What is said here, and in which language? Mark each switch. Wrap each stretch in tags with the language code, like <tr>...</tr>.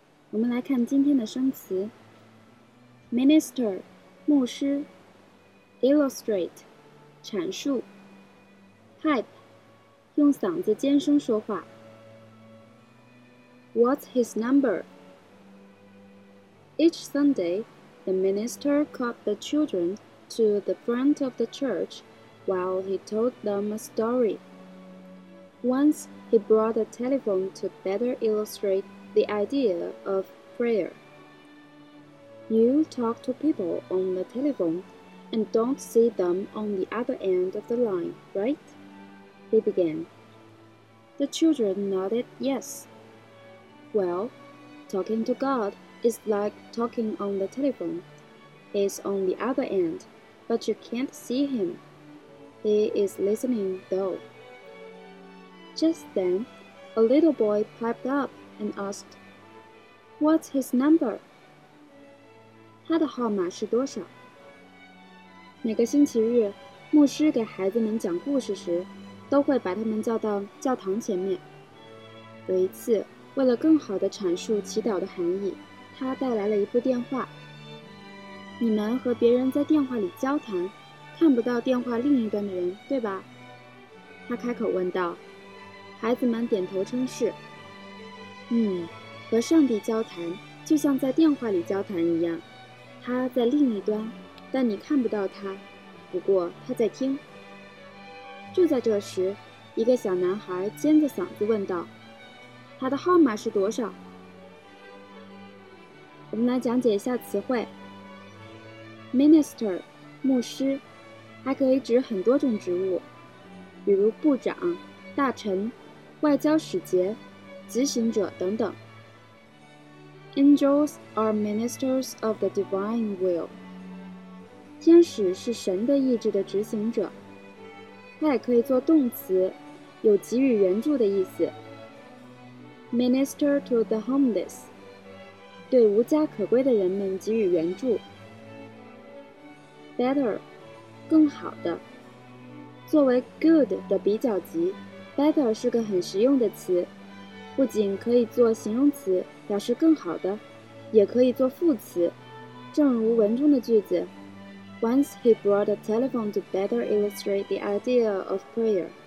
<zh>我们来看今天的生词 ：minister（ 牧师）、illustrate（ 阐述）、pipe（ 用嗓子尖声说话）。</zh> <en>What's his number? Each Sunday, the minister called the children to the front of the church while he told them a story. Once he brought a telephone to better illustrate the idea of prayer. You talk to people on the telephone and don't see them on the other end of the line, right? He began. The children nodded yes. Well, talking to God is like talking on the telephone. He's on the other end, but you can't see him. He is listening, though. Just then, a little boy piped up and asked, What's his number?</en> <zh>他的号码是多少？每个星期日，牧师给孩子们讲故事时，都会把他们叫到教堂前面。有一次，为了更好地阐述祈祷的含义，他带来了一部电话。你们和别人在电话里交谈，看不到电话另一端的人，对吧？他开口问道。孩子们点头称是。和上帝交谈，就像在电话里交谈一样，他在另一端，但你看不到他，不过他在听。就在这时，一个小男孩尖着嗓子问道：“他的号码是多少？” 我们来讲解一下词汇。Minister（ 牧师）还可以指很多种职务，比如部长、大臣。外交使节、执行者等等。</zh> <en>Angels are ministers of the divine will.</en> <zh>天使是神的意志的执行者。它也可以做动词，有给予援助的意思。</zh> <en>Minister to the homeless.</en> <zh>对无家可归的人们给予援助。 Better, 更好的。作为 good 的比较级。Better 是个很实用的词，不仅可以做形容词，表示更好的，也可以做副词。正如文中的句子</zh> <en>，Once he brought a telephone to better illustrate the idea of prayer。</en>